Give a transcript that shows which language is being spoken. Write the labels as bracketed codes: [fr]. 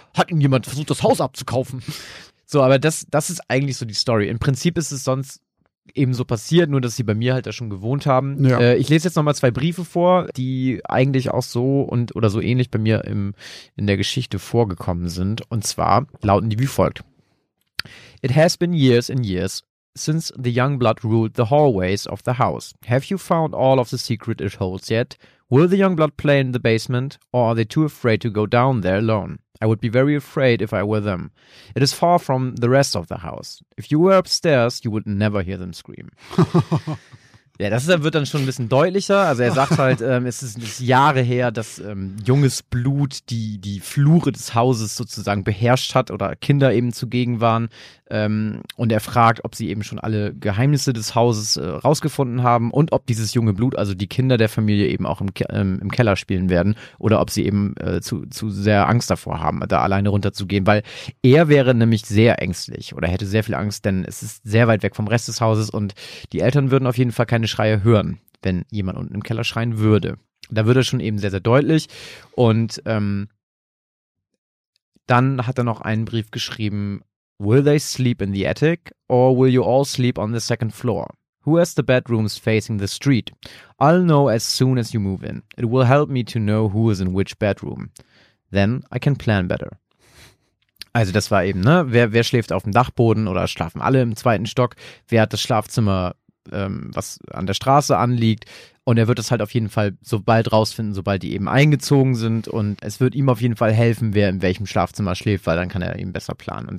[de] Hat Ihnen jemand versucht, das Haus abzukaufen? So, aber das ist eigentlich so die Story. Im Prinzip ist es sonst eben so passiert, nur dass sie bei mir halt da schon gewohnt haben. Ja. Ich lese jetzt nochmal zwei Briefe vor, die eigentlich auch so und oder so ähnlich bei mir in der Geschichte vorgekommen sind. Und zwar lauten die wie folgt. [en] It has been years and years since the young blood ruled the hallways of the house. Have you found all of the secret it holds yet? Will the young blood play in the basement, or are they too afraid to go down there alone? I would be very afraid if I were them. It is far from the rest of the house. If you were upstairs, you would never hear them scream. [de] Ja, das wird dann schon ein bisschen deutlicher. Also er sagt halt, es ist Jahre her, dass junges Blut die Flure des Hauses sozusagen beherrscht hat oder Kinder eben zugegen waren. Und er fragt, ob sie eben schon alle Geheimnisse des Hauses rausgefunden haben und ob dieses junge Blut, also die Kinder der Familie, eben auch im Keller spielen werden oder ob sie eben zu sehr Angst davor haben, da alleine runterzugehen. Weil er wäre nämlich sehr ängstlich oder hätte sehr viel Angst, denn es ist sehr weit weg vom Rest des Hauses und die Eltern würden auf jeden Fall keine Schreie hören, wenn jemand unten im Keller schreien würde. Da wird es schon eben sehr, sehr deutlich. Und dann hat er noch einen Brief geschrieben. [en] Will they sleep in the attic or will you all sleep on the second floor? Who has the bedrooms facing the street? I'll know as soon as you move in. It will help me to know who is in which bedroom. Then I can plan better. [de] Also das war eben, ne? Wer schläft auf dem Dachboden oder schlafen alle im zweiten Stock? Wer hat das Schlafzimmer, was an der Straße anliegt? Und er wird das halt auf jeden Fall so bald rausfinden, sobald die eben eingezogen sind. Und es wird ihm auf jeden Fall helfen, wer in welchem Schlafzimmer schläft, weil dann kann er eben besser planen.